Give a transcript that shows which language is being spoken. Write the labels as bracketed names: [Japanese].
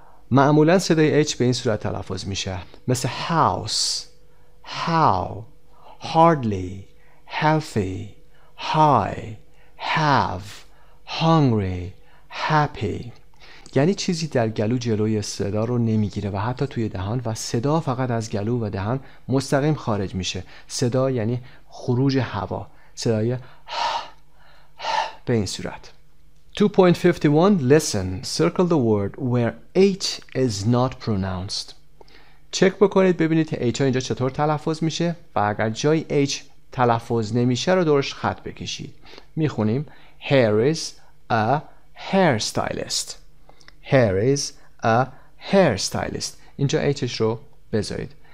[Persian] معمولا صدای H به این صورت تلفظ میشه، مثل house، how، hardly، healthy، high، have، hungry، happy. یعنی چیزی در گلو جلوی صدا رو نمیگیره و حتی توی دهان، و صدا فقط از گلو و دهان مستقیم خارج میشه. صدا یعنی خروج هوا، صدای به این صورت. [English] 2.51 Listen. Circle the word where H is not pronounced. [Persian] چک بکنید ببینید H ها اینجا چطور تلفظ میشه، و اگر جای H تلفظ نمیشه رو دورش خط بکشید. [English] میخونیم Hair is a hairstylist. Hair is a hairstylist. [Persian] اینجا Hش رو بذارید.